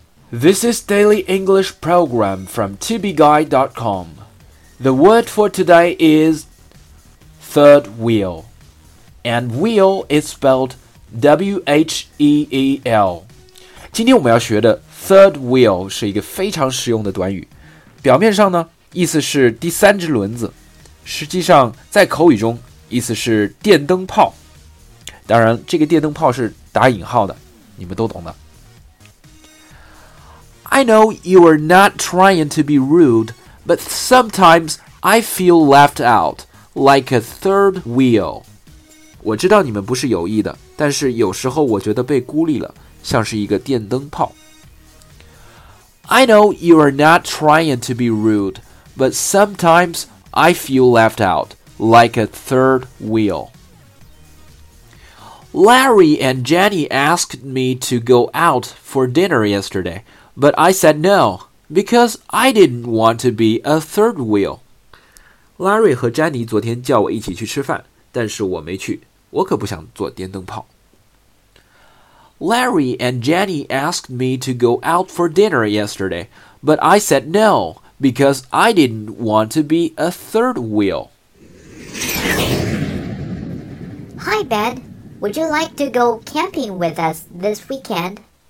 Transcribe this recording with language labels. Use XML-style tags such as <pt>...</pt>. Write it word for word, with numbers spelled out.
<en>This is Daily English Program from T B guide dot com. The word for today is third wheel. And wheel is spelled W H E E L.</en> <zh>今天我们要学的 third wheel 是一个非常实用的短语。表面上呢，意思是第三只轮子。实际上在口语中，意思是电灯泡。当然，这个电灯泡是打引号的，你们都懂的。</zh> <en>I know you are not trying to be rude, but sometimes I feel left out, like a third wheel.</en> <zh>我知道你们不是有意的，但是有时候我觉得被孤立了，像是一个电灯泡。</zh> <en>I know you are not trying to be rude, but sometimes I feel left out, like a third wheel. Larry and Jenny asked me to go out for dinner yesterday. But I said no, because I didn't want to be a third wheel.</en> <zh>Larry 和詹妮昨天叫我一起去吃饭，但是我没去，我可不想做电灯泡。</zh> <en>Larry and Jenny asked me to go out for dinner yesterday, but I said no, because I didn't want to be a third wheel. Hi, Ben. Would you like to go camping with us this weekend?</en>